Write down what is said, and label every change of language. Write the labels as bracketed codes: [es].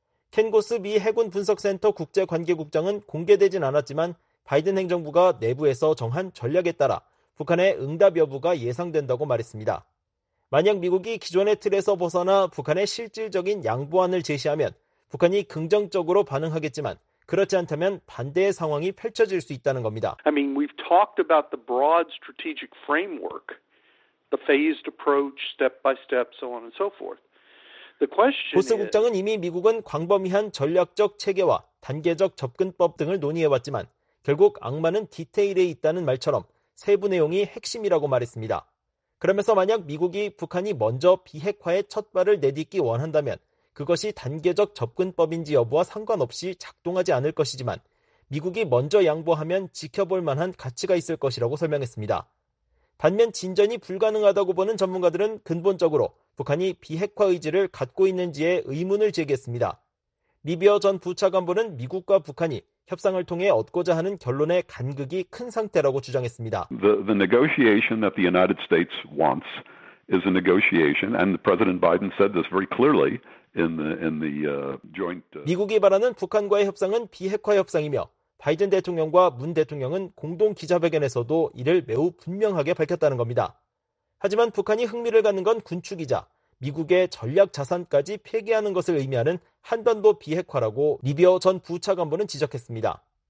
[ko] 켄고스 미 해군 분석센터 국제관계국장은 공개되진 않았지만 바이든 행정부가 내부에서 정한 전략에 따라 북한의 응답 여부가 예상된다고 말했습니다. 만약 미국이 기존의 틀에서 벗어나 북한의 실질적인 양보안을 제시하면 북한이 긍정적으로 반응하겠지만 그렇지 않다면 반대의 상황이 펼쳐질 수 있다는 겁니다. [en] I mean, we've talked about the broad strategic framework, the phased approach, step by step, so on and so forth. [ko] 보스 국장은 이미 미국은 광범위한 전략적 체계와 단계적 접근법 등을 논의해왔지만 결국 악마는 디테일에 있다는 말처럼 세부 내용이 핵심이라고 말했습니다. 그러면서 만약 미국이 북한이 먼저 비핵화의 첫 발을 내딛기 원한다면 그것이 단계적 접근법인지 여부와 상관없이 작동하지 않을 것이지만 미국이 먼저 양보하면 지켜볼 만한 가치가 있을 것이라고 설명했습니다. 반면 진전이 불가능하다고 보는 전문가들은 근본적으로 북한이 비핵화 의지를 갖고 있는지에 의문을 제기했습니다. 리비어 전 부차관보는 미국과 북한이 협상을 통해 얻고자 하는 결론의 간극이 큰 상태라고 주장했습니다. [en] The negotiation that the United States wants is a negotiation, and President Biden said this very clearly in the joint. [ko] 미국이 바라는 북한과의 협상은 비핵화 협상이며 바이든 대통령과 문 대통령은 공동 기자회견에서도 이를 매우 분명하게 밝혔다는 겁니다. 하지만 북한이 흥미를 갖는 건 군축이자 미국의 전략 자산까지 폐기하는 것을 의미하는 한반도 비핵화라고 리비어 전 부차관보는 지적했습니다.